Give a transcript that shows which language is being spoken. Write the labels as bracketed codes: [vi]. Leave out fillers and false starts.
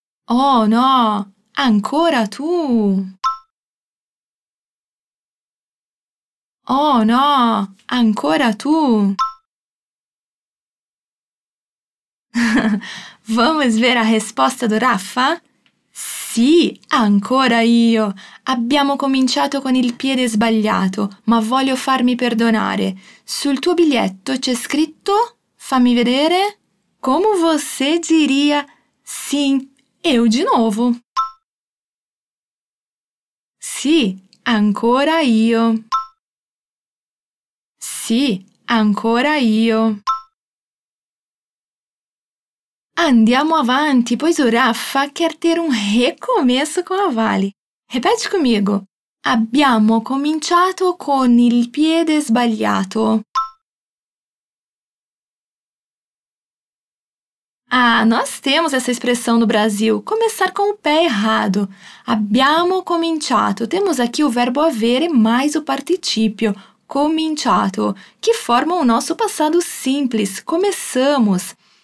[it] Oh, no! Ancora tu! Oh, no! Ancora tu! [pt] Vamos ver a resposta do Rafa? [it] Sì, ancora io! Abbiamo cominciato con il piede sbagliato, ma voglio farmi perdonare. Sul tuo biglietto c'è scritto... Fammi vedere... Come [pt] você diria... [it] Sì, eu di nuovo! Sì, ancora io! Sì, ancora io. Andiamo avanti, [pt] pois o Rafa quer ter um recomeço com a Vale. Repete comigo. [it] Abbiamo cominciato con il piede sbagliato. [pt] Ah, nós temos essa expressão no Brasil, começar com o pé errado. [it] Abbiamo cominciato. [pt] Temos aqui o verbo avere mais o participio. Cominciato, que forma o nosso passado simples, começamos.